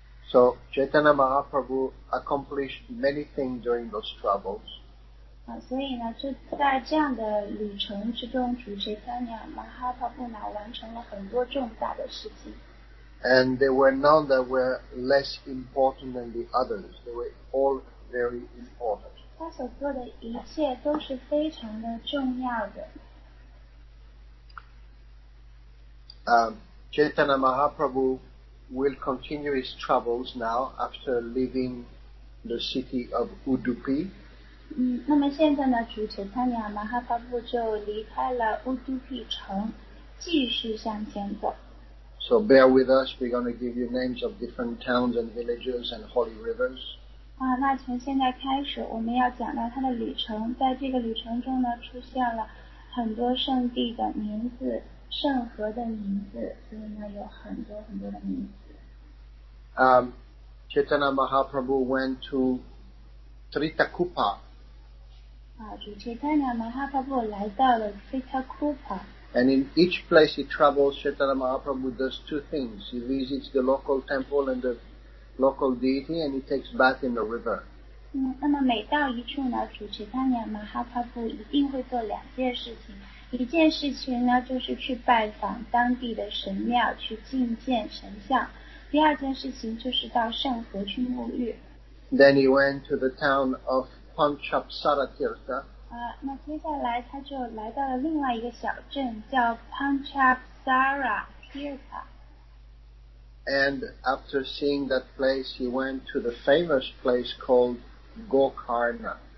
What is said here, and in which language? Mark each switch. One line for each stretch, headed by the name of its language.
English: So, Chaitanya Mahaprabhu accomplished many things during those travels.
Chinese: 所以呢，就在这样的旅程之中，主 Chaitanya Mahaprabhu 呢，完成了很多重大的事情。
English: And there were none that were less important than the others. They were all very important.
Chinese: 他所做的一切都是非常的重要的。
English: Chaitanya Mahaprabhu will continue his travels now after leaving the city of Udupi.
Chinese: 那么现在呢, 主Chaitanya Mahaprabhu 就离开了 Udupi 城, 继续向前走。
English: So bear with us, we're going to give you names of different towns and villages and holy rivers.
Chinese: 那从现在开始, 我们要讲到他的旅程, 在这个旅程中呢, 出现了很多圣地的名字, 圣和的名字, 所以呢有很多很多的名字。
English: Chaitanya Mahaprabhu went to Tritakupa.
Chinese: 主Chaitanya Mahaprabhu 来到了 Tritakupa。
English: And in each place he travels, Chaitanya Mahaprabhu does two things. He visits the local temple and the local deity, and he takes bath in the river.
Chinese: 那么每到一处呢, 主Chaitanya Mahaprabhu 一定会做两件事情。一件事情呢，就是去拜访当地的神庙，去觐见神像。第二件事情就是到圣河去沐浴。
English: Then he went to the town of Panchapsara Tirtha.
Chinese: 那接下来他就来到了另外一个小镇，叫 Panchapsara Tirtha.
English: And after seeing that place, he went to the famous place called Gokarna.